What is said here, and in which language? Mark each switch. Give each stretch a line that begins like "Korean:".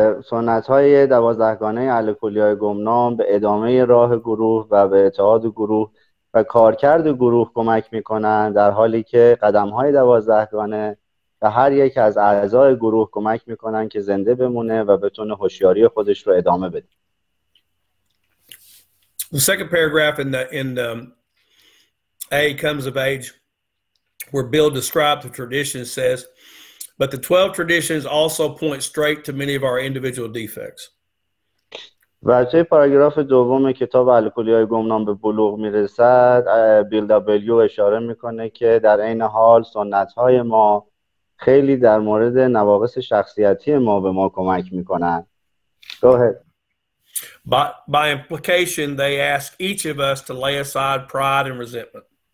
Persian: سنت های دوازدهگانه الکلی های گمنام به ادامه راه گروه و به اتحاد گروه و کارکرد گروه کمک می کنند، در حالی که قدم های دوازدهگانه به هر یک از اعضای گروه کمک می کنند که زنده بمونه و بتونه هوشیاری خودش رو ادامه بده.
English: The second paragraph in the A Comes of Age, where Bill describes the tradition, says, but the 12 traditions also point straight to many of our individual defects.
Persian: و توی پاراگراف دوم کتاب الکلی های گمنام به بلوغ میرسد، بیل دبلیو اشاره میکنه که در این حال سنت های ما خیلی در مورد نواقص شخصیتی ما به ما کمک میکنن.
English: Go ahead. By implication, they ask each of us to lay aside pride and resentment.